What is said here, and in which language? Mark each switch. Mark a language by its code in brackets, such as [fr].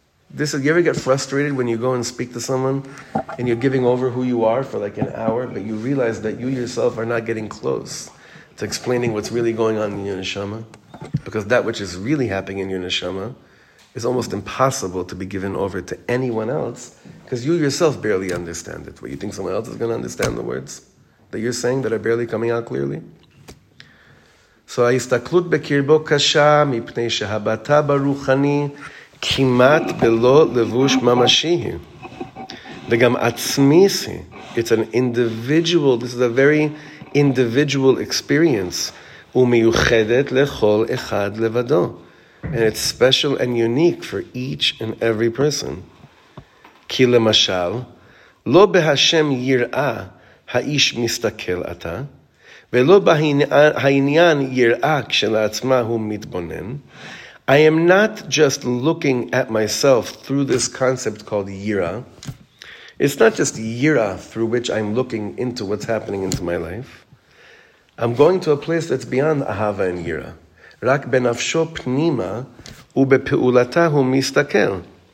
[en] This is, you ever get frustrated when you go and speak to someone and you're giving over who you are for like an hour, but you realize that you yourself are not getting close to explaining what's really going on in your neshama? Because that which is really happening in your neshama is almost impossible to be given over to anyone else because you yourself barely understand it. What, you think someone else is going to understand the words that you're saying that are barely coming out clearly? [he] So ההסתכלות בקרבו קשה מפני שהבטה ברוחני כמעט בלא לבוש ממשי. וגם עצמיסי, [en] it's an individual, this is a very individual experience, [he] ומיוחדת לכל אחד לבדו. [en] And it's special and unique for each and every person. [he] כי למשל, לא בהשם יראה האיש מסתכל עתה, ולא בעניין יראה כשלעצמה הוא מתבונן. [en] I am not just looking at myself through this concept called yira. It's not just yira through which I'm looking into what's happening into my life. I'm going to a place that's beyond ahava and yira. [he] Rak benafsho pnima ubepeulata hu mistakel.